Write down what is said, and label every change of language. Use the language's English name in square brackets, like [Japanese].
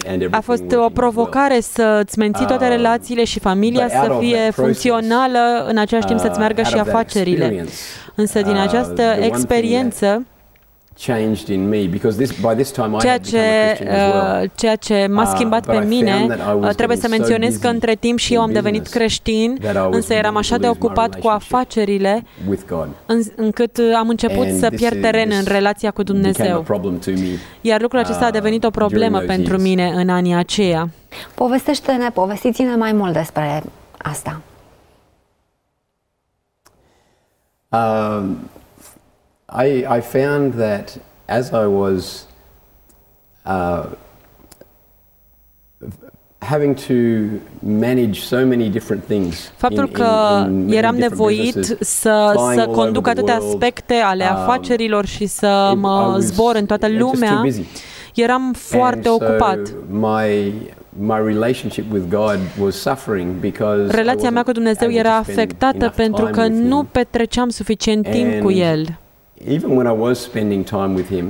[Romanian] A fost o provocare să-ți menții toate relațiile și familia să fie funcțională, în același timp să-ți meargă și afacerile. Însă din această experiență, [English] changed in me because this by this time I [Romanian] ceea ce, ceea ce m-a schimbat pe mine, trebuie să menționez că între timp și eu am devenit creștin, însă eram așa de ocupat cu afacerile încât am început să pierd teren în relația cu Dumnezeu. Iar lucrul acesta a devenit o problemă pentru mine în anii aceia. Povestește-ne, povestiți-ne mai mult despre asta. [English] I found that as I was having to manage so many different things. [Romanian] Faptul că eram nevoit să conduc atâtea aspecte ale afacerilor și să mă zbor în toată lumea. Eram foarte ocupat. [English] My relationship with God was suffering because [Romanian] relația mea cu Dumnezeu era afectată pentru că nu petreceam suficient timp cu el. [English] Even when I was spending time with him,